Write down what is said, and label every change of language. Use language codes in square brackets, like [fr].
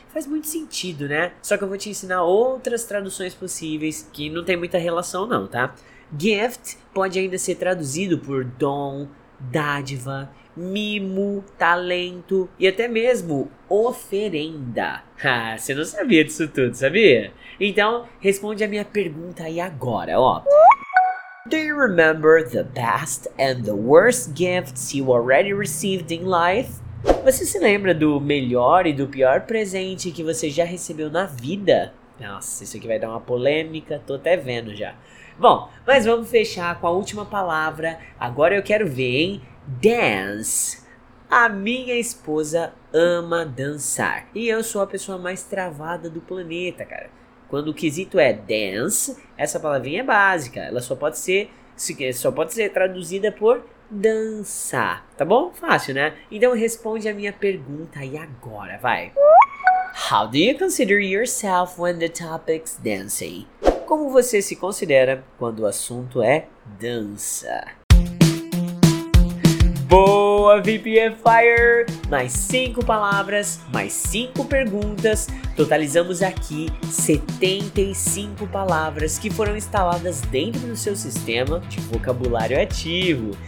[pt] Faz muito sentido, né? Só que eu vou te ensinar outras traduções possíveis que não tem muita relação não, tá? Gift pode ainda ser traduzido por dom, dádiva, mimo, talento e até mesmo oferenda. Ah, você não sabia disso tudo, sabia? Então, responde a minha pergunta aí agora, ó. [en] Do you remember the best and the worst gifts you already received in life? [pt] Você se lembra do melhor e do pior presente que você já recebeu na vida? Nossa, isso aqui vai dar uma polêmica, tô até vendo já. Bom, mas vamos fechar com a última palavra. Agora eu quero ver, hein? Dance. A minha esposa ama dançar. E eu sou a pessoa mais travada do planeta, cara. Quando o quesito é dance, essa palavrinha é básica. Ela só pode ser traduzida por dançar. Tá bom? Fácil, né? Então responde a minha pergunta aí agora, vai. [en] How do you consider yourself when the topic's dancing? [pt] Como você se considera quando o assunto é dança? Boa, VPN Fire! Mais 5 palavras, mais 5 perguntas. Totalizamos aqui 75 palavras que foram instaladas dentro do seu sistema de vocabulário ativo.